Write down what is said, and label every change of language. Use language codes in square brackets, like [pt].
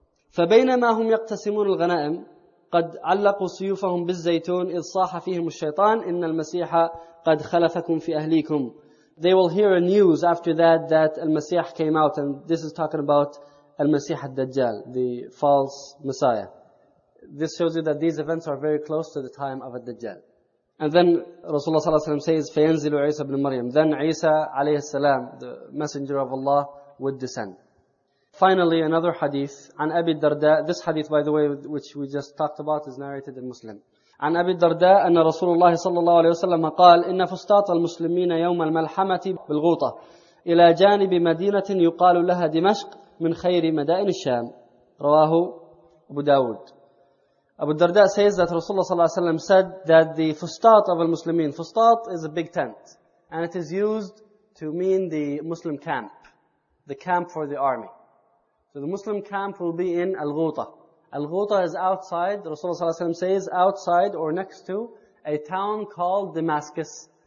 [ar] فَبَيْنَمَا هُمْ يَقْتَسِمُونَ الْغَنَائِمِ قَدْ عَلَّقُوا سُيُوفَهُمْ بِالزَّيْتُونِ إِذْ صَاحَ فِيهِمُ الشَّيْطَانِ إِنَّ الْمَسِيحَ قَدْ خَلَفَكُمْ فِي أَهْلِيكُمْ. [en] They will hear a news after that Al-Masih came out, and this is talking about Al-Masih al-Dajjal, the false Messiah. This shows you that these events are very close to the time of al-Dajjal. And then Rasulullah ﷺ says, [ar] فَيَنْزِلُ عِيسَى بْنِ مَرْيَمْ. [en] Then Isa عليه السلام, the messenger of Allah, would descend. Finally, another hadith, [ar] عن أبي الدرداء. [en] This hadith, by the way, which we just talked about, is narrated in Muslim. [ar] عن أبي الدرداء أن رسول الله صلى الله عليه وسلم قال إن فسطاط المسلمين يوم الملحمة بالغوطة إلى جانب مدينة يقال لها دمشق من خير مدائن الشام. رواه أبو داود. [en] Abu Darda says that Rasulullah ﷺ said that the fustat of al-Muslimin, fustat is a big tent, and it is used to mean the Muslim camp, the camp for the army. So the Muslim camp will be in al-Ghuta. Al-Ghuta is outside, Rasulullah ﷺ says, outside or next to a town called Damascus.